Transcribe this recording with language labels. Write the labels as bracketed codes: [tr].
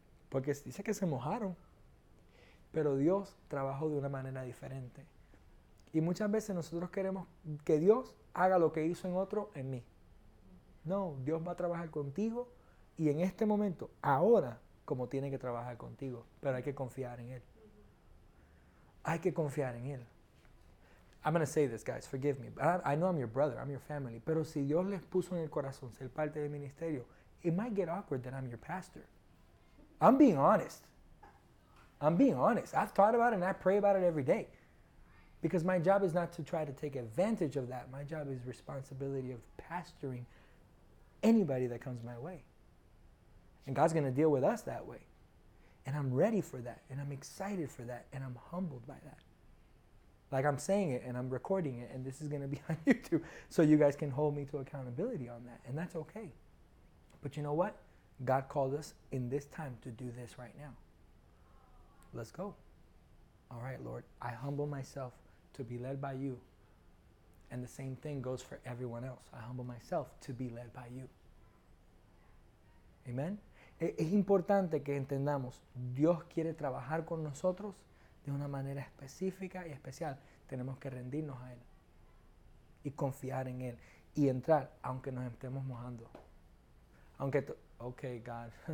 [es] Porque dice que se mojaron. Pero Dios trabajó de una manera diferente. Y muchas veces nosotros queremos que Dios haga lo que hizo en otro en mí. No, Dios va a trabajar contigo y en este momento, ahora, como tiene que trabajar contigo. Pero hay que confiar en Él. Hay que confiar en Él. [en] I'm going to say this, guys, forgive me. I know I'm your brother, I'm your family. [es] Pero si Dios les puso en el corazón ser parte del ministerio, [en] it might get awkward that I'm your pastor. I'm being honest. I'm being honest. I've thought about it and I pray about it every day. Because my job is not to try to take advantage of that. My job is responsibility of pastoring anybody that comes my way. And God's going to deal with us that way. And I'm ready for that. And I'm excited for that. And I'm humbled by that. Like I'm saying it and I'm recording it. And this is going to be on YouTube. So you guys can hold me to accountability on that. And that's okay. But you know what? God called us in this time to do this right now. Let's go. All right, Lord, I humble myself to be led by you. And the same thing goes for everyone else. I humble myself to be led by you. Amen. [es] Es importante que entendamos, Dios quiere trabajar con nosotros de una manera específica y especial. Tenemos que rendirnos a Él y confiar en Él y entrar, aunque nos estemos mojando. Aunque, [en] okay, God.